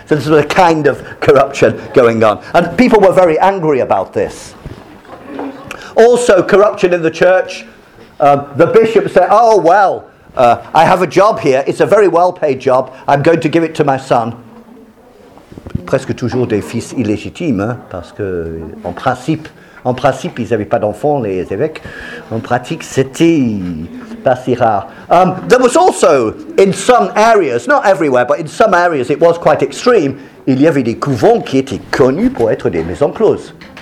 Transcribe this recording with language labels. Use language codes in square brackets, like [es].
[en] So this was a kind of corruption going on, and people were very angry about this. Also, corruption in the church. The bishop said, "Oh well, I have a job here. It's a very well-paid job. I'm going to give it to my son." [fr] Presque toujours des fils illégitimes, parce que en principe, ils n'avaient pas d'enfants, les évêques. En pratique, c'était pas si rare. [en] There was also, in some areas, not everywhere, but in some areas, it was quite extreme. [fr] Il y avait des couvents qui étaient connus pour être des maisons closes.